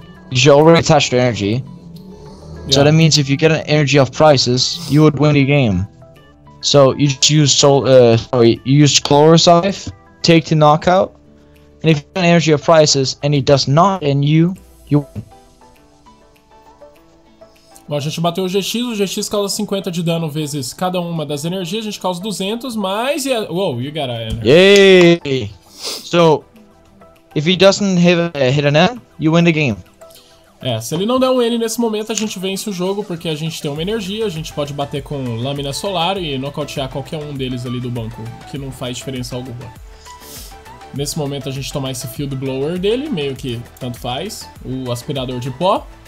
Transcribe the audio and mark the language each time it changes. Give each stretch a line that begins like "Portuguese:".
English: You already attached your energy. Yeah. So that means if you get an energy off prices, you would win the game. So you just use Chlorosive, take the knockout, and if you get an energy off prices and he does not end you, you win.
Portuguese: Bom, a gente bateu o GX causa 50 de dano vezes cada uma das energias, a gente causa 200, mas...
English: Whoa, you got an energy. Yay! So, if he doesn't hit an N, you win the game.
Portuguese: É, se ele não der um N nesse momento, a gente vence o jogo, porque a gente tem uma energia, a gente pode bater com Lâmina Solar e nocautear qualquer um deles ali do banco, que não faz diferença alguma. Nesse momento, a gente tomar esse Field Blower dele, meio que tanto faz, o Aspirador de Pó.